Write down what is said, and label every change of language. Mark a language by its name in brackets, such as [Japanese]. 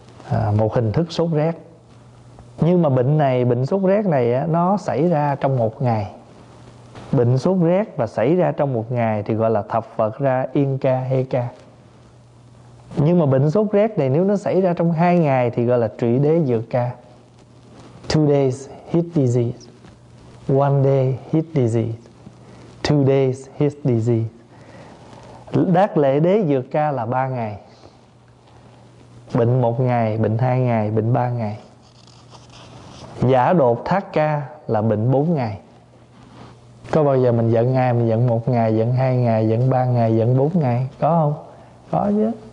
[Vietnamese] Một hình thức sốt rét. Nhưng mà bệnh này, bệnh sốt rét này á, nó xảy ra trong một ngày. Bệnh sốt rét và xảy ra trong một ngày thì gọi là Thập Phật Ra Yên Ca Hê Ca. Nhưng mà bệnh sốt rét này nếu nó xảy ra trong hai ngày thì gọi là Trụy Đế Dược Ca. [English] Two days heat disease, one day heat disease, two days heat disease. [Vietnamese] Đát Lệ Đế Dược Ca là ba ngày. Bệnh một ngày, bệnh hai ngày, bệnh ba ngày. Giả đột thác ca là bệnh bốn ngày. Có bao giờ mình giận ai, mình giận một ngày, giận hai ngày, giận ba ngày, giận bốn ngày? Có không? Có chứ.